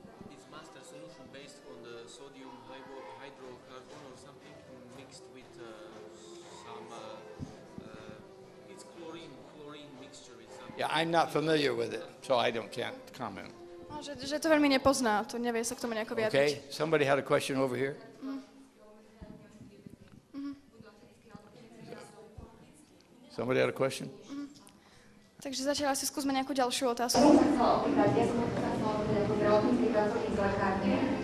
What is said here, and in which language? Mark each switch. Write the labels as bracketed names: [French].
[English] It's master solution based on the sodium hydrocarbon or something mixed with it's chlorine mixture. Yeah, I'm not familiar with it, so I can't comment. [Slovak] Že to veľmi nepozná, to nevie sa k tomu nejako vyjadriť. [English] Okay, somebody had a question over here. Somebody had a question? [Slovak] Takže začala si skúsme nejakú ďalšiu otázku. Ja som sa chcela opýtať, ja som sa chcela opýtať, ako zdravotnícky pracovník v lekárne.